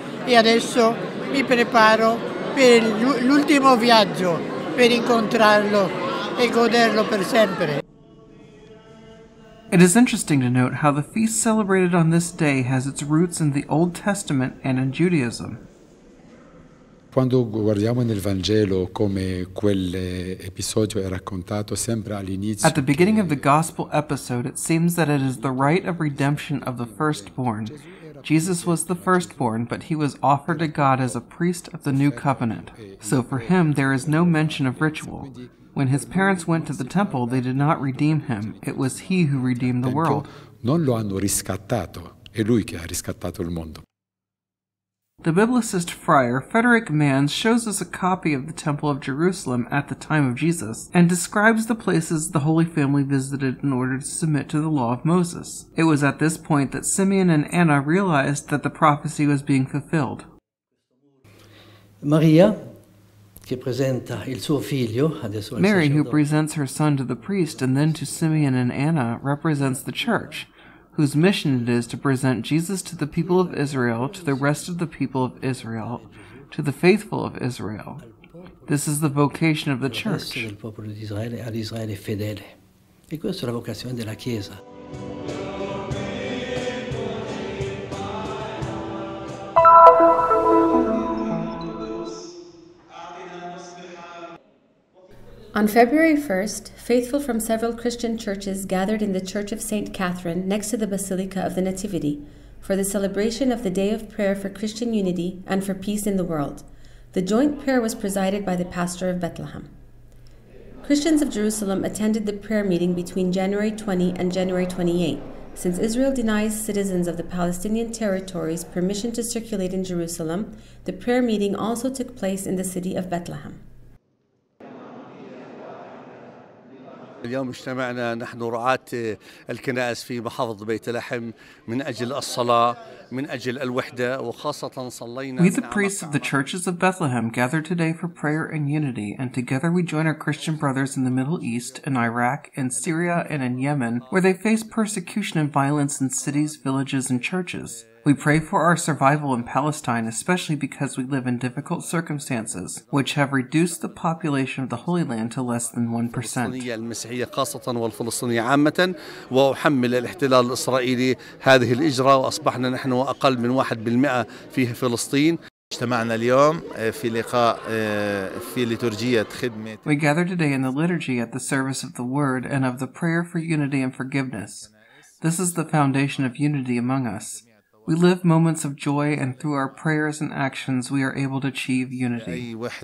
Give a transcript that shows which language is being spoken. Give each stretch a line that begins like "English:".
Italian: E adesso mi preparo per l'ultimo viaggio, per incontrarlo e goderlo per sempre.
English: It is interesting to note how the feast celebrated on this day has its roots in the Old Testament and in Judaism.
Italian: Quando guardiamo nel Vangelo come quell'episodio è raccontato sempre all'inizio.
English: At the beginning of the Gospel episode, it seems that it is the rite of redemption of the firstborn. Jesus was the firstborn, but he was offered to God as a priest of the new covenant. So for him, there is no mention of ritual. When his parents went to the temple, they did not redeem him. It was he who redeemed the world.
Italian: Non lo hanno riscattato, è lui che ha riscattato il mondo.
English: The biblicist friar Frederick Mans shows us a copy of the Temple of Jerusalem at the time of Jesus and describes the places the Holy Family visited in order to submit to the law of Moses. It was at this point that Simeon and Anna realized that the prophecy was being fulfilled.
Italian: Maria, che presenta il suo figlio, adesso al
English: Mary, who presents her son to the priest and then to Simeon and Anna, represents the church, whose mission it is to present Jesus to the people of Israel, to the rest of the people of Israel, to the faithful of Israel. This is the vocation of the church. E questa è la vocazione della Chiesa. On February 1st, faithful from several Christian churches gathered in the Church of St. Catherine next to the Basilica of the Nativity for the celebration of the Day of Prayer for Christian Unity and for Peace in the World. The joint prayer was presided by the pastor of Bethlehem. Christians of Jerusalem attended the prayer meeting between January 20 and January 28, since Israel denies citizens of the Palestinian territories permission to circulate in Jerusalem. The prayer meeting also took place in the city of Bethlehem.
Arabic: اليوم اجتمعنا نحن رعاة الكنائس في محافظة بيت لحم من أجل الصلاة من أجل الوحدة وخاصة صلينا.
English: We the priests of the churches of Bethlehem gather today for prayer and unity, and together we join our Christian brothers in the Middle East, in Iraq, in Syria, and in Yemen, where they face persecution and violence in cities, villages, and churches. We pray for our survival in Palestine, especially because we live in difficult circumstances, which have reduced the population of the Holy Land to less than 1%.
Arabic: المسيحية خاصة والفلسطينية عامة وأحمل الاحتلال الإسرائيلي هذه الإجراء وأصبحنا نحن أقل من 1% في فلسطين. اجتمعنا اليوم في لقاء في ليتورجية خدمة.
English: We gather today in the liturgy at the service of the Word and of the prayer for unity and forgiveness. This is the foundation of unity among us. We live moments of joy, and through our prayers and actions, we are able to achieve unity.